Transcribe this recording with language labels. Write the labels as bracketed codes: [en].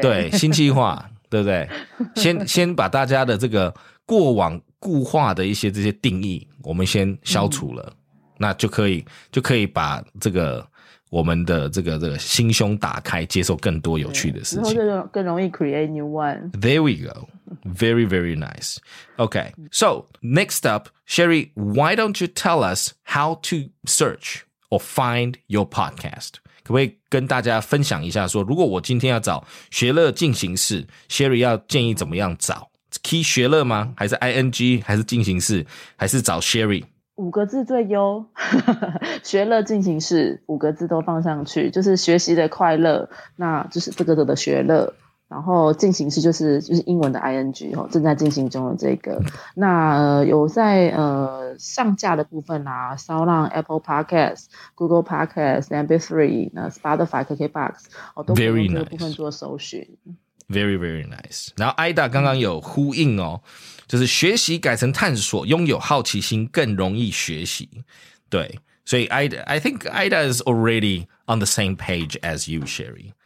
[zh] 对，新企划，对不对？先把大家的这个过往固化的一些这些定义，我们先消除了，那就可以把这个。我们的这个心胸打开，接受更多有趣的事情，然后就更容易 [en] create new one。 There we go, very very nice. Okay, so next up, Sherry, why don't you tell us how to search or find your podcast? [zh] 可不可以跟大家分享一下说，如果我今天要找学乐进行式 ，Sherry 要建议怎么样找 ？Key 学乐吗？还是 ing？ 还是进行式？还是找 Sherry？五个字最优，学乐进行式五个字都放上去，就是学习的快乐，那就是这个的学乐，然后进行式就是英文的 ing 正在进行中的这个，那有在上架的部分啊，稍让 Apple Podcast、Google Podcast、MP3、Spotify、KKBox 哦，都可以这个部分做搜寻。 [en] Very very nice。 [zh] 然后 Ida 刚刚有呼应哦，就是学习改成探索，拥有好奇心更容易学习。对，所以 [en] I think Ida is already on the same page as you, Sherry.